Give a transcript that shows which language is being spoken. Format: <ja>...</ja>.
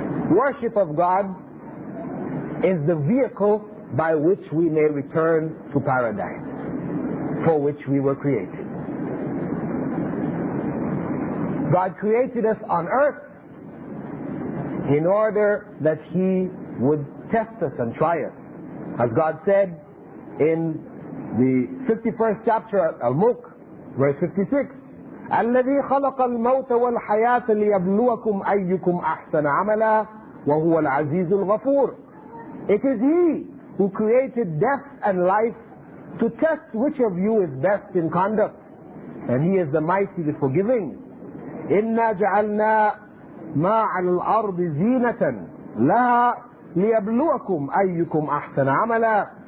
<en>Worship of God is the vehicle by which we may return to paradise for which we were created. God created us on earth in order that He would test us and try us. As God said in the 51st chapter of Al-Mulk, verse 56,</en> <ar>الَّذِي خَلَقَ الْمَوْتَ وَالْحَيَاةَ لِيَبْلُوَكُمْ أَيُّكُمْ أَحْسَنَ عَمَلًا وَهُوَ الْعَزِيزُ الْغَفُورُ.</ar> <en>It is He who created death and life to test which of you is best in conduct. And He is the mighty, the forgiving.</en> <ar>إِنَّا جَعَلْنَا مَا عَلَى الْأَرْضِ زِينَةً لَهَا لِيَبْلُوَكُمْ أَيُّكُمْ أَحْسَنَ عَمَلًا.</ar>